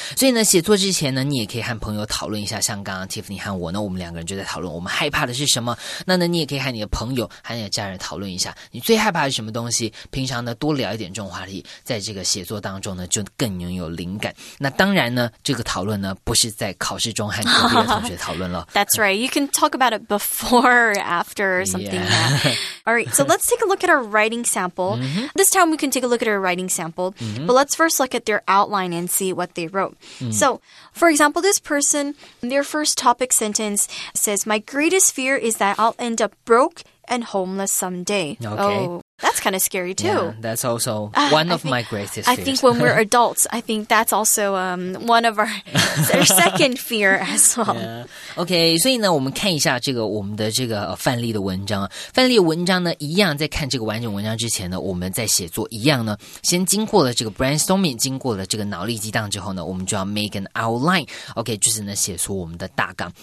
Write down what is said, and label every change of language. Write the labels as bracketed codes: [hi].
[zh] 所以呢，写作之前呢，你也可以和朋友讨论一下，像刚刚 Tiffany 和我呢，我们两个人就在讨论我们害怕的是什么。那呢，你也可以和你的朋友和你的家人讨论一下，你最害怕的是什么东西。平常呢，多聊一点这种话题，在这个写作当中呢，就更拥有灵感。那当然呢，这个讨论呢，不是在考试中和隔壁的同学讨论了。 [en] That's right. You can talk about it before or after or something. All right. So let's take a look at our writing sample. This time we can take a look at our writing sample. But let's first look at their outline and see what they wrote. So, for example, this person, their first topic sentence says, my greatest fear is that I'll end up broke and homeless someday. Okay. Oh, that's kind of scary too. Yeah, that's also one of my greatest fears. I think when we're adults, I think that's also one of our second fear as well. Yeah. [zh] Okay, 所以呢，我们看一下这个我们的这个范例的文章。范例文章呢，一样在看这个完整文章之前呢，我们在写作一样呢，先经过了这个 brainstorming， 经过了这个脑力激荡之后呢，我们就要 [en] make an outline。 [zh] Okay， 就是呢写出我们的大纲。